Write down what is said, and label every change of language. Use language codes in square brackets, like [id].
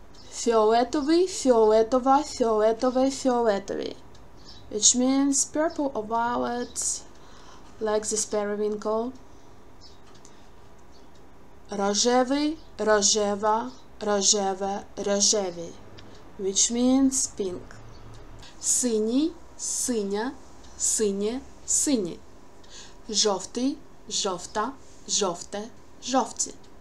[uk] Фіолетовий, фіолетова, фіолетове, фіолетові. [en] Which means purple or violet, like this periwinkle. [uk] Рожевий, рожева, рожеве, рожеві. [en] Which means pink. [uk] Синій, синя, синє, сині. Жовтий, жовта, жовте, жовті.